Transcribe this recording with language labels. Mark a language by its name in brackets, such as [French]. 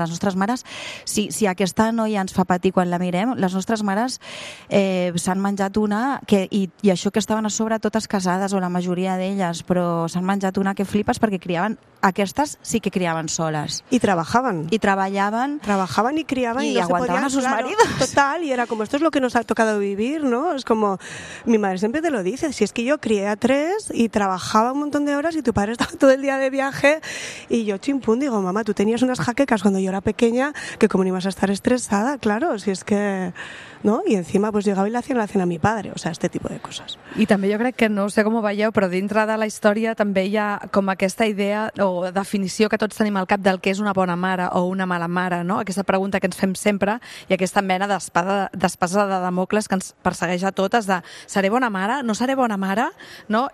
[Catalan] Les nostres mares, si aquesta noia ens fa patir quan la mirem, les nostres mares s'han menjat una, que, i això que estaven a sobre totes casades o la majoria d'elles, però s'han menjat una que flipes perquè criaven, aquestes sí que criaven soles. I treballaven. I treballaven. Treballaven i criaven i no aguantaven se [Spanish] podien, a sus maridos. Claro, total, [Catalan] i era com, [Spanish] esto es lo que nos ha tocado vivir, ¿no? Es como... Mi madre siempre te lo dice, si es que yo crié a tres y trabajaba un montón de horas y tu padre estaba todo el día de viaje y yo chimpún, digo, mamá, tú tenías unas jaquecas cuando yo era pequeña, que cómo no ibas a estar estresada, claro, si es que... ¿no? I encima pues llegava i l'hacien la cena a mi padre, o sea, este tipo de coses. [Catalan] I també jo crec que, no sé com ho veieu, però dintre de la història també hi ha com aquesta idea o definició que tots tenim al cap del que és una bona mare o una mala mare, no? Aquesta pregunta que ens fem sempre i aquesta mena d'espasa de Damocles que ens persegueix a totes de seré bona mare, no seré bona mare, no?